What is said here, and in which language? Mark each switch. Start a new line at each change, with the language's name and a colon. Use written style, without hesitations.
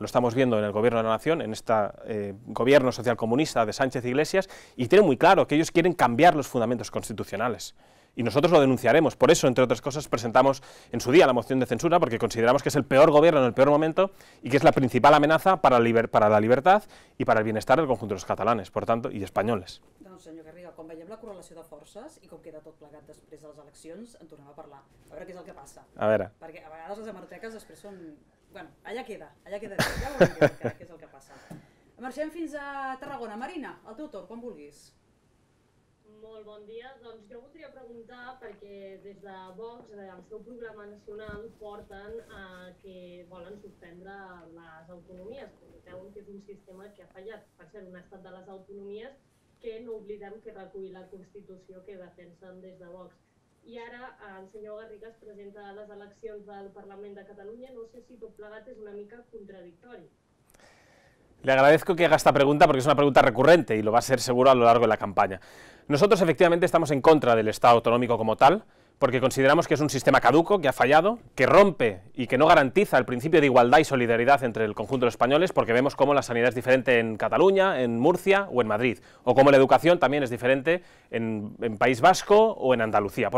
Spanish: Lo estamos viendo en el Gobierno de la Nación, en este gobierno socialcomunista de Sánchez e Iglesias, y tienen muy claro que ellos quieren cambiar los fundamentos constitucionales. Y nosotros lo denunciaremos. Por eso, entre otras cosas, presentamos en su día la moción de censura, porque consideramos que es el peor gobierno en el peor momento y que es la principal amenaza para la libertad y para el bienestar del conjunto de los catalanes, por tanto, y españoles.
Catalan: Senyor Garriga, quan veiem la correlació de forces i com queda tot plegat després de les eleccions, en tornem a parlar. A veure què és el que passa. A veure. Perquè a vegades les hemeroteques després són... Bueno, allà queda. Ja veurem què és el que passa. Marxem fins a Tarragona. Marina, al teu torn, quan vulguis. Molt bon dia. Doncs jo voldria preguntar, perquè des de Vox, el seu programa nacional, porten a que volen suspendre les autonomies. Veuen que és un sistema que ha fallat. Per ser un estat de les autonomies, que no oblidem que recull la Constitució que defensen des de Vox. I ara el senyor Garriga es presenta a les eleccions del Parlament de Catalunya. No sé si tot plegat és una mica contradictori.
Spanish: Le agradezco que haga esta pregunta porque es una pregunta recurrente y lo va a ser seguro a lo largo de la campaña. Nosotros efectivamente estamos en contra del Estado autonómico como tal, porque consideramos que es un sistema caduco, que ha fallado, que rompe y que no garantiza el principio de igualdad y solidaridad entre el conjunto de los españoles, porque vemos cómo la sanidad es diferente en Cataluña, en Murcia o en Madrid, o cómo la educación también es diferente en País Vasco o en Andalucía.